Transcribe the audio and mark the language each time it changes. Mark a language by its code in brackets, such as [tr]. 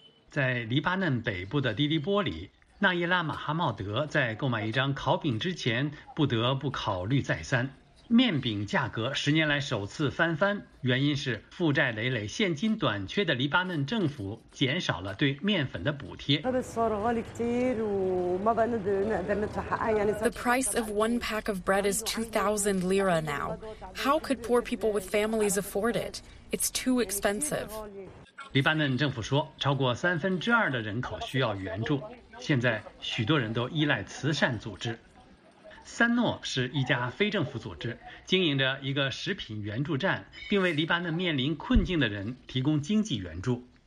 [zh] 在黎巴嫩北部的迪迪波里，纳伊拉马哈茂德在购买一张烤饼之前不得不考虑再三。面饼价格十年来首次翻番，原因是负债累累、现金短缺的黎巴嫩政府减少了对面粉的补贴。 [en] The price of one pack of bread is 2,000 lira now. How could poor people with families afford it? It's too expensive. [zh] 黎巴嫩政府说，超过三分之二的人口需要援助，现在许多人都依赖慈善组织。三诺是一家非政府组织，经营着一个食品援助站，并为黎巴嫩面临困境的人提供经济援助。